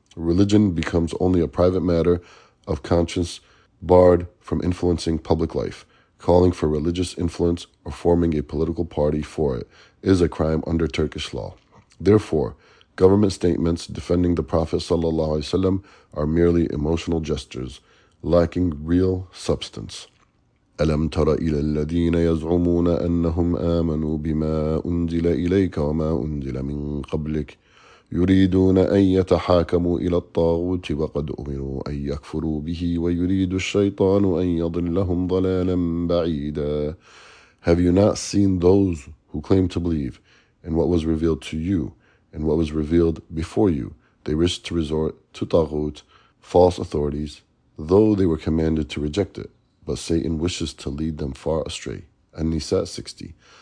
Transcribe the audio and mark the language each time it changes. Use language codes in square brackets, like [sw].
[en] Religion becomes only a private matter of conscience barred from influencing public life. Calling for religious influence or forming a political party for it is a crime under Turkish law. Therefore, government statements defending the Prophet ﷺ are merely emotional gestures, lacking real substance. [ar] أَلَمْ تَرَ إِلَى الَّذِينَ يَزْعُمُونَ أَنَّهُمْ آمَنُوا بِمَا أُنزِلَ إِلَيْكَ وَمَا أُنزِلَ مِنْ قَبْلِكَ يريدون أن يتحاكموا إلى الطاغوت وقد أمروا أن يكفروا به ويريد الشيطان أن يضلهم ضلالا بعيدا. [en] Have you not seen those who claim to believe in what was revealed to you and what was revealed before you? They wish to resort to taghut, false authorities, though they were commanded to reject it. But Satan wishes to lead them far astray. An-Nisa 60.